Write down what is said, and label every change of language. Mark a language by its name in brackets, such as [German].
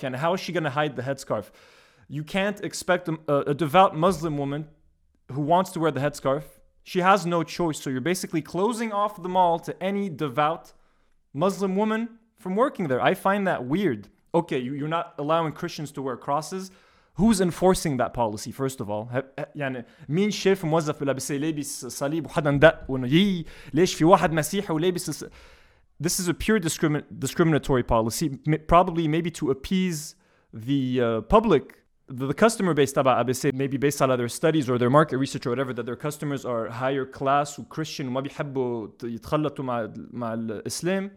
[English] Yani, how is she going to hide the headscarf? You can't expect a devout Muslim woman who wants to wear the headscarf. She has no choice. So you're basically closing off the mall to any devout Muslim woman from working there. I find that weird. Okay, you're not allowing Christians to wear crosses. Who's enforcing that policy, first of all? [Arabic] يعني مين شايف موظف بلابس لابس صليب وحدا ندق ونجي ليش في واحد مسيحي ولابس. [English] This is a pure discriminatory policy, probably to appease the public, the customer base of ABC, maybe based on other studies or their market research or whatever, that their customers are higher class or Christian, [Arabic] وما بيحبوا يتخلطوا مع الإسلام.